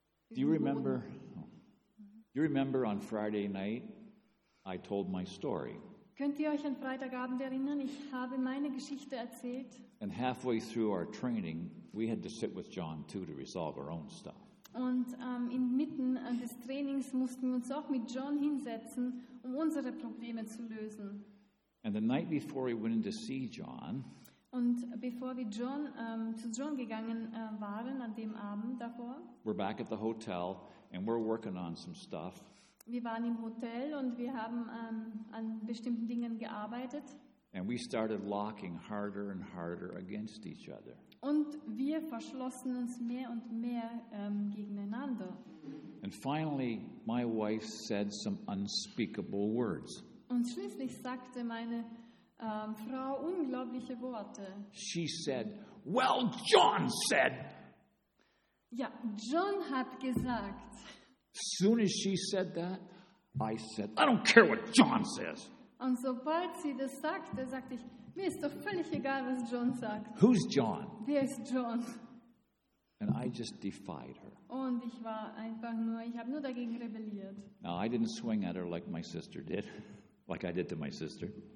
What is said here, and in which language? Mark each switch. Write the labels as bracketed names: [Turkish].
[English] Do you remember on Friday night I told my story? [German] Könnt ihr euch an Freitagabend erinnern? Ich habe meine Geschichte erzählt. [English] And halfway through our training, we had to sit with John too to resolve our own stuff. [German] Und inmitten des Trainings mussten wir uns auch mit John hinsetzen, um unsere Probleme zu lösen. [English] And the night before we went in to see John, [German] und bevor wir John, zu John gegangen waren an dem Abend davor, [English] we're back at the hotel and we're working on some stuff. [German] Wir waren im Hotel und wir haben an bestimmten Dingen gearbeitet. [English] And we started locking harder and harder against each other. [German] Und wir verschlossen uns mehr und mehr gegeneinander. [English] And finally, my wife said some unspeakable words. [German] Und schließlich sagte meine Frau unglaubliche Worte. [English] She said, "Well, John said." [German] Ja, John hat gesagt. [English] Soon as she said that, I said, "I don't care what John says." [German] Und sobald sie das sagte, sagte ich, mir ist doch völlig egal, was John sagt. [English] Who's John? [German] Wer ist John? [English] And I just defied her. [German] Und ich war einfach nur, ich habe nur dagegen rebelliert. [English] Now, I didn't swing at her like my sister did, like I did to my sister.